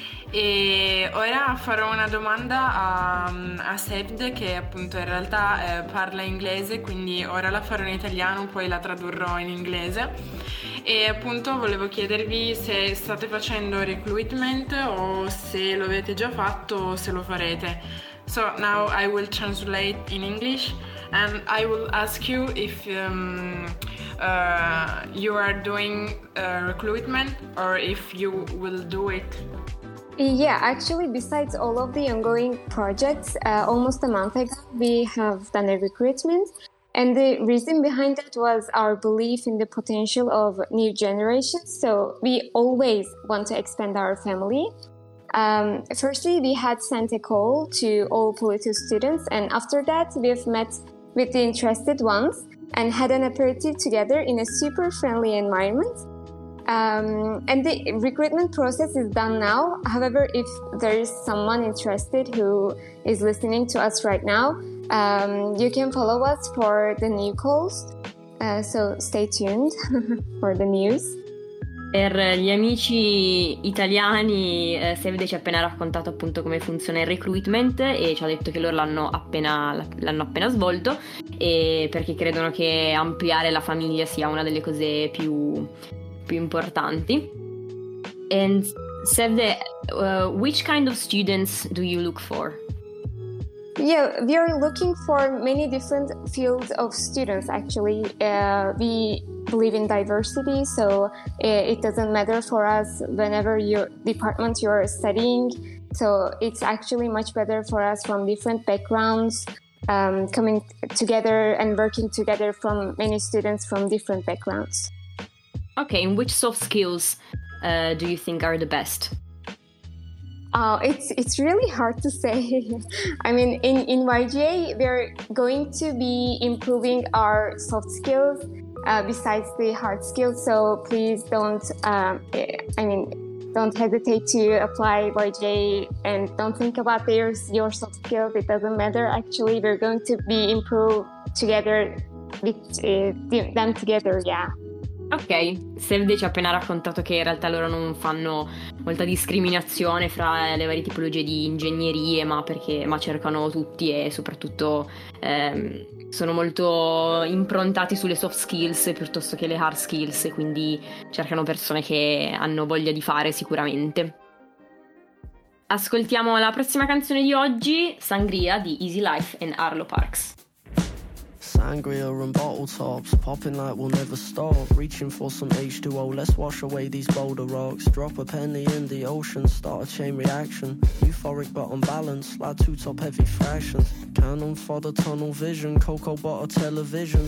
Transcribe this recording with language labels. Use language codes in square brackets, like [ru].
[it] E ora farò una domanda a Sebd, che appunto in realtà parla inglese, quindi ora la farò in italiano, poi la tradurrò in inglese. E appunto volevo chiedervi se state facendo recruitment o se lo avete già fatto o se lo farete. [en] So now I will translate in English and I will ask you if you are doing recruitment or if you will do it. Yeah, actually, besides all of the ongoing projects, almost a month ago, we have done a recruitment. And the reason behind that was our belief in the potential of new generations. So we always want to expand our family. Firstly, we had sent a call to all political students. And after that, we have met with the interested ones and had an aperitif together in a super friendly environment. And the recruitment process is done now. However, if there is someone interested who is listening to us right now, you can follow us for the new calls. So stay tuned for the news. [it] Per gli amici italiani, Sebde ci ha appena raccontato appunto come funziona il recruitment e ci ha detto che loro l'hanno appena svolto, e perché credono che ampliare la famiglia sia una delle cose più importanti. [en] And Sevde, which kind of students do you look for? Yeah, we are looking for many different fields of students, actually. We believe in diversity, so it doesn't matter for us whenever your department you are studying. So it's actually much better for us from different backgrounds, coming together and working together from many students from different backgrounds. Okay, and which soft skills do you think are the best? It's really hard to say. I mean, in YGA, we're going to be improving our soft skills besides the hard skills. So please don't hesitate to apply YGA and don't think about your soft skills. It doesn't matter. Actually, we're going to be improved together with them together. Yeah. [it] Ok, Sevde ci ha appena raccontato che in realtà loro non fanno molta discriminazione fra le varie tipologie di ingegnerie, ma cercano tutti e soprattutto sono molto improntati sulle soft skills piuttosto che le hard skills, quindi cercano persone che hanno voglia di fare sicuramente. Ascoltiamo la prossima canzone di oggi, Sangria di Easy Life and Arlo Parks. [en] Sangria and bottle tops, popping like we'll never stop. Reaching for some H2O, let's wash away these boulder rocks. Drop a penny in the ocean, start a chain reaction. Euphoric but unbalanced, like two top heavy fractions. Cannon fodder, tunnel vision, cocoa butter television.